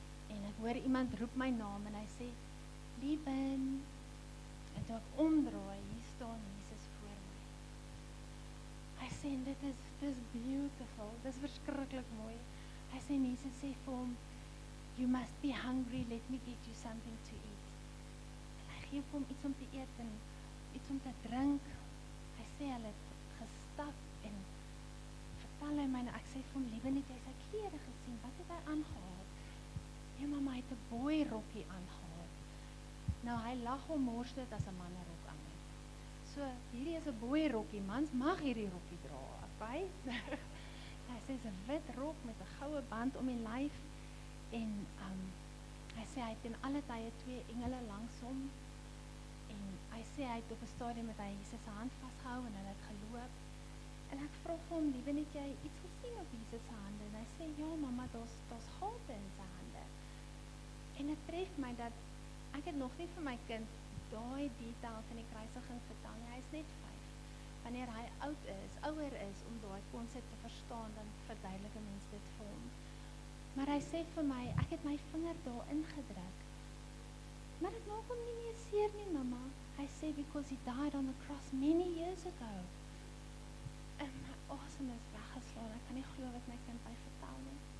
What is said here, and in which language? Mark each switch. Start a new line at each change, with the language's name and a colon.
Afrikaans: En ek hoor iemand roep my naam en hy sê, Lieben, en toe ek omdraai, hier staan Jesus voor my. Hy sê, dit is beautiful, dit is verskriklik mooi. Hy sê, Jesus sê vir hom,
English: you must be hungry, let me get you something to eat.
Afrikaans: En hy geef hom iets om te eet en iets om te drink. Hy sê, hy het gestap en vertel hy my, en ek sê vir hom, Lieben, het hy sy klere gesien, wat het hy aangehaal? Ja, mama, hy het 'n boy rokkie aangehaal. Nou, hy lag om mors dit as 'n man 'n rok aan. So, hierdie is 'n boy rokkie, mans mag hierdie rokkie dra, okay? Hy sê, is 'n wit rok met 'n goue band om die lyf, en hy sê, hy het in alle tye 2 engele langs hom, en hy sê, hy het op 'n stadium met hy Jesus' hand vasgehou, en hy het geloop, en ek vroeg hom, Lieben, het jy iets gesien op Jesus' hande? En hy sê, ja, mama, daar's gate in sy hande. En het tref my dat ek het nog nie vir my kind daai detail van die kruisiging vertel nie. Hy is net 5. Wanneer hy ouer is om daai konsep te verstaan, dan verduidelike mens dit vir hom. Maar hy sê vir my, ek het my vinger daar ingedruk. Maar ek maak hom nie meer seer nie, mama. Hy sê,
English: because he died on the cross many years ago.
Afrikaans: En my asem is weggeslaan. Ek kan nie geloof wat my kind my vertel nie.